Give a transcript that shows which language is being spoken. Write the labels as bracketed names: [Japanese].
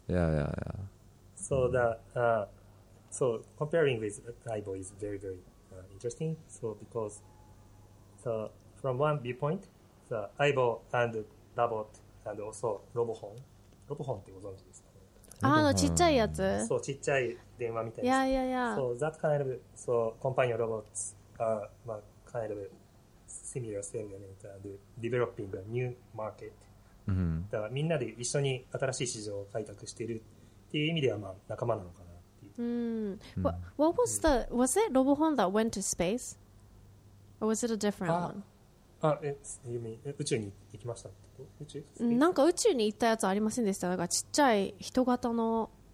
[English] Yeah. So so comparing with Aibo is very, very interesting. So because from one viewpoint, the Aibo and Robot and also Robohon. [Japanese] Robohon ってご存知ですか？あのちっちゃいやつ、そうちっちゃい電話みたいな、そう [English] that kind of so companion robots are [Japanese] まあ [English] kind of similar segment and developing a new market、 mm-hmm. [Japanese] だからみんなで一緒に新しい市場を開拓しているっていう意味ではまあ仲間なのかなっていう、 [English] What was the was it Robohon that went to space or was it a different one? You mean [Japanese] 宇宙に行きましたってこと？宇宙？なんか宇宙に行ったやつありませんでした？なんかちっちゃい人型の、